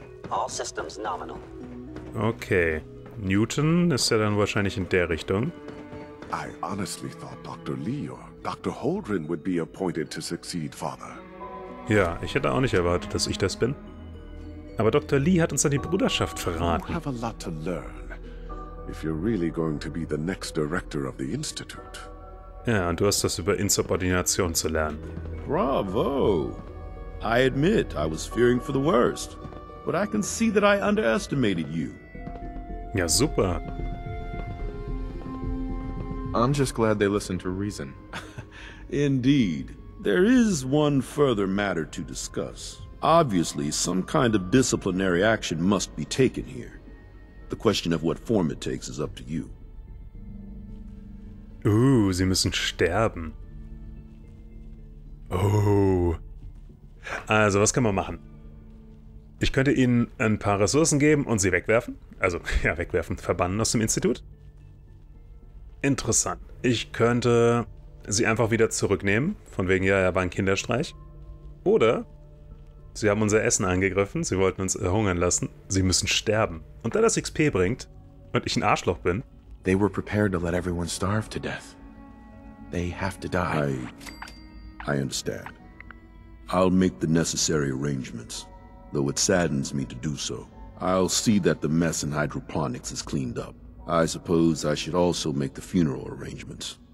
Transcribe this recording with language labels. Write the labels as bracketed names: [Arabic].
[English] All systems nominal. Okay. [German] Newton ist ja dann wahrscheinlich in der Richtung. [English] I honestly thought Dr. Lee or Dr. Holdren would be appointed to succeed Father. [German] Ja, ich hätte auch nicht erwartet, dass ich das bin. Aber Dr. Lee hat uns an die Bruderschaft verraten. [English] You have a lot to learn, if you're really going to be the next director of the Institute. [German] Ja, und du hast das über Insubordination zu lernen. [English] Bravo! I admit, I was fearing for the worst. But I can see that I underestimated you. [German] Ja, super. [English] I'm just glad they listened to reason. Indeed. There is one further matter to discuss. Obviously, some kind of disciplinary action must be taken here. The question of what form it takes is up to you. [German] Ooh, sie müssen sterben. Oh. Also, was kann man machen? Ich könnte ihnen ein paar Ressourcen geben und sie wegwerfen. Also, ja, wegwerfen, verbannen aus dem Institut. Interessant. Ich könnte sie einfach wieder zurücknehmen. Von wegen, ja, war ein Kinderstreich. Oder sie haben unser Essen angegriffen. Sie wollten uns hungern lassen. Sie müssen sterben. Und da das XP bringt und ich ein Arschloch bin. [English] They were prepared to let everyone starve to death. They have to die. I understand. I'll make the necessary arrangements. Though it saddens me to do so. I'll see that the mess in hydroponics is cleaned up. I suppose I should also make the funeral arrangements.